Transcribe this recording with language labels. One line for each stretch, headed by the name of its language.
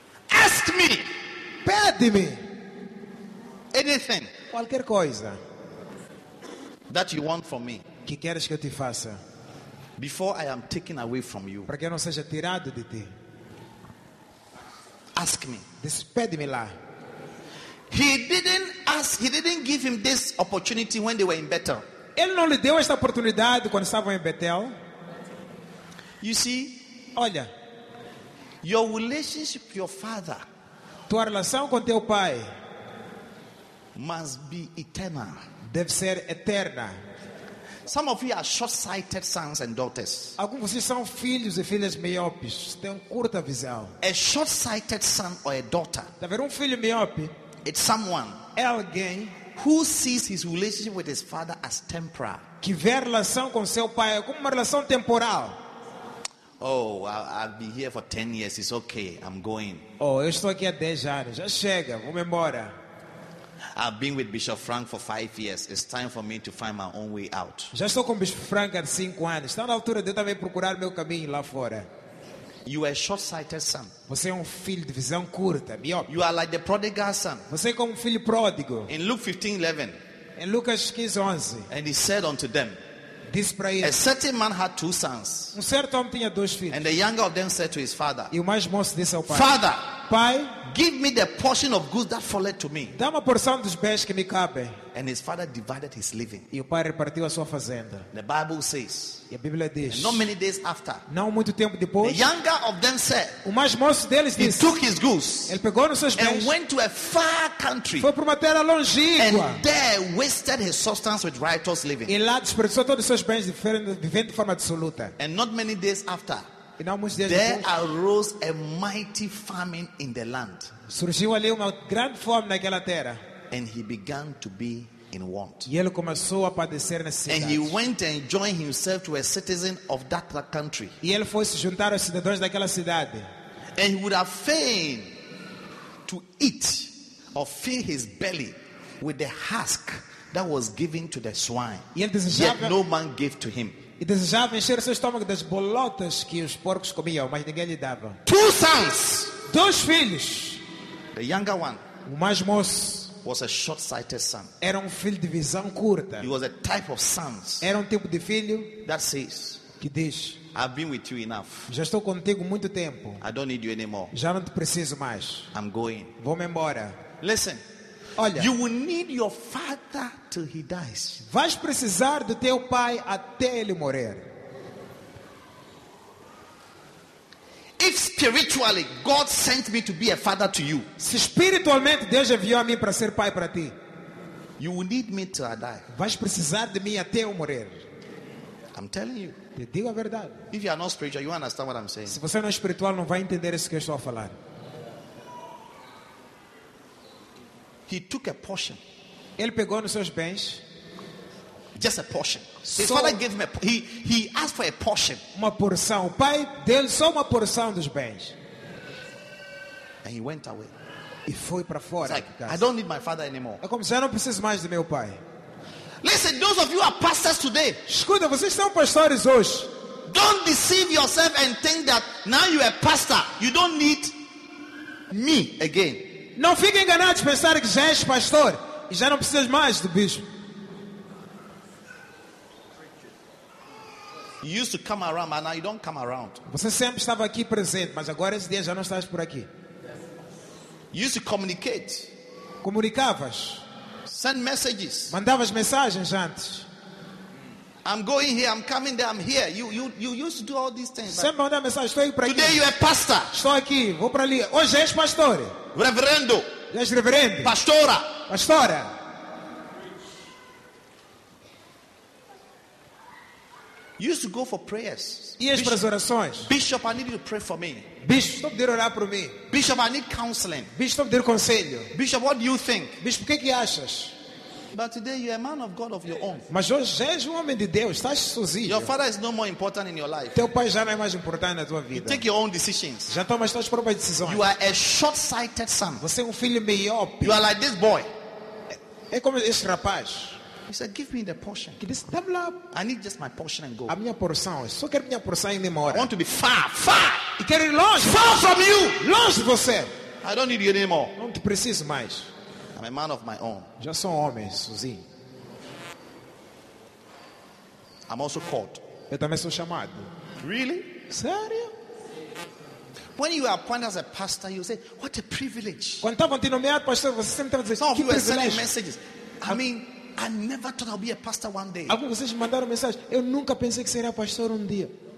English: ask me,
Portuguese: pede-me,
English: anything,
Portuguese: qualquer coisa,
English: that you want from me,
Portuguese: que queres que eu te faça,
English: before I am taken away from you,
Portuguese: para que eu não seja tirado de ti,
English: ask me,
Portuguese: disse, pede-me lá.
English: He didn't ask, he didn't give him this opportunity when they were in Bethel.
Portuguese: Ele não lhe deu esta oportunidade quando estavam em Betel.
English: You see,
Portuguese: olha,
English: your relationship with your father,
Portuguese: tua relação com teu pai,
English: must be eternal.
Portuguese: Deve ser eterna.
English: Some of you are short-sighted sons and daughters.
Portuguese: Alguns de vocês são filhos e filhas miopes, têm curta visão.
English: A short-sighted son or a daughter.
Portuguese: Deve haver um filho miope.
English: It's someone
Portuguese: alguém
English: who sees his relationship with his father as temporal.
Portuguese: Que vê a relação com seu pai como uma relação temporal.
English: Oh, I've been here for 10 years. It's okay. I'm going.
Portuguese: Oh, eu estou aqui há 10 anos. Já chega. Vou embora.
English: I've been with Bishop Frank for 5 years. It's time for me to find my own way out.
Portuguese: Já estou com o Bishop Frank há 5 anos. Está na altura de eu também procurar meu caminho lá fora.
English: You are a short-sighted son.
Portuguese: Você é filho de visão curta, miope.
English: You are like the prodigal son.
Portuguese: Você é como filho pródigo.
English: In Luke 15:11.
Portuguese: Em Lucas 15:11.
English: And he said unto them,
Portuguese: disse para eles,
English: a certain man had two sons.
Portuguese: Certo homem tinha dois filhos.
English: And the younger of them said to his father,
Portuguese: e o mais moço disse ao pai,
English: father,
Portuguese: pai,
English: give me the portion of goods that falleth to me.
Portuguese: Dá-me a porção dos bens que me cabe.
English: And his father divided his living.
Portuguese: E o pai repartiu a sua fazenda.
English: The Bible says,
Portuguese: e a Bíblia diz,
English: not many days after,
Portuguese: não muito tempo depois,
English: the younger of them said,
Portuguese: o mais moço deles
English: he
Portuguese: disse,
English: took his goods,
Portuguese: ele pegou nos seus bens,
English: and went to a far country,
Portuguese: foi para uma terra longínqua,
English: and there wasted his substance with riotous living.
Portuguese: E lá desperdiçou todos os seus bens vivendo de forma absoluta.
English: And not many days after,
Portuguese: e não muitos dias
English: there
Portuguese: depois,
English: arose a mighty famine in the land.
Portuguese: Surgiu ali uma grande fome naquela terra.
English: And he began to be in want.
Portuguese: E ele começou a padecer necessidade.
English: And he went and joined himself to a citizen of that country.
Portuguese: E ele foi se juntar aos cidadãos daquela cidade.
English: And he would have fain to eat or fill his belly with the husk that was given to the swine.
Portuguese: E ele desejava,
English: yet no man gave to him.
Portuguese: E desejava encher seu estômago das bolotas que os porcos comiam, mas ninguém lhe dava.
English: Two sons,
Portuguese: dois filhos.
English: The younger one,
Portuguese: o mais moço,
English: was a short-sighted son.
Portuguese: Era filho de visão curta.
English: He was a type of sons.
Portuguese: Era tipo de filho
English: that says,
Portuguese: que diz,
English: I've been with you enough.
Portuguese: Já estou contigo muito tempo.
English: I don't need you anymore.
Portuguese: Já não te preciso mais.
English: I'm going.
Portuguese: Vou-me embora.
English: Listen.
Portuguese: Olha,
English: you will need your father till he dies.
Portuguese: Vais precisar do teu pai até ele morrer.
English: If spiritually God sent me to be a father to you,
Portuguese: se espiritualmente Deus enviou a mim para ser pai para ti,
English: you will need me till I die.
Portuguese: Vais precisar de mim até eu morrer.
English: I'm telling you.
Portuguese: Te digo a verdade.
English: If you are not spiritual, you understand what I'm saying.
Portuguese: Se você não é espiritual, não vai entender isso que eu estou a falar.
English: He took a portion.
Portuguese: Ele pegou nos seus bens.
English: Just a portion. His father gave him a he asked for a portion.
Portuguese: Uma porção. O pai deu só uma porção dos bens.
English: And he went away.
Portuguese: E foi para fora.
English: It's like, I don't need my father anymore.
Portuguese: É como se eu não preciso mais de meu pai.
English: Listen, those of you who are pastors today.
Portuguese: Escuta, vocês são pastores hoje.
English: Don't deceive yourself and think that now you are a pastor, you don't need me again.
Portuguese: Não fique enganado de pensar que já és pastor e já não precisas mais do bispo.
English: You used to come around, but now you don't come around.
Portuguese: Você sempre estava aqui presente, mas agora esse dia já não estás por aqui.
English: You used to communicate.
Portuguese: Comunicavas.
English: Send messages.
Portuguese: Mandavas mensagens antes.
English: I'm going here, I'm coming there, I'm here. You used to do all these things.
Portuguese: Sempre mandar mensagem, estou aí para aqui.
English: Today you are pastor.
Portuguese: Estou aqui, vou para ali. Hoje és pastor. Reverendo. És reverendo. Pastora. Pastora.
English: You used to go for prayers.
Portuguese: Ias para as orações.
English: Bishop, I need you to pray for me.
Portuguese: Bishop,
English: stop there
Portuguese: orar por mim.
English: Bishop, I need counseling.
Portuguese: Bishop, dê conselho.
English: Bishop, what do you think?
Portuguese: Bishop, o que achas?
English: But today you are a man of God of your own.
Portuguese: Mas hoje és homem de Deus, estás sozinho.
English: Your father is no more important in your life.
Portuguese: Teu pai já não é mais importante na tua vida.
English: You take your own decisions.
Portuguese: Já tomas tuas próprias decisões.
English: You are a short-sighted son.
Portuguese: Você é filho miope.
English: You are like this boy.
Portuguese: É como esse rapaz.
English: He said, "Give me the portion."
Portuguese: Que disse, "Dá-me lá.
English: I need just my portion and go."
Portuguese: A minha porção, só quero minha porção e ir embora.
English: I want to be far, far.
Portuguese: E quero ir longe.
English: Far from you.
Portuguese: Longe de você.
English: I don't need you anymore.
Portuguese: Não te preciso mais.
English: I'm a man of my own.
Portuguese: Já sou homem, sozinho.
English: I'm also called.
Portuguese: Eu também sou chamado.
English: Really?
Portuguese: Sério?
English: When you are appointed as a pastor, you say, "What a privilege."
Portuguese: Quando estavam te nomeado pastor, você sempre dizia, "Que privilégio."
English: Some of you are sending messages. I never thought I'd be a pastor one day.
Portuguese: Alguns de vocês me mandaram mensagem. Eu nunca pensei que seria pastor um dia.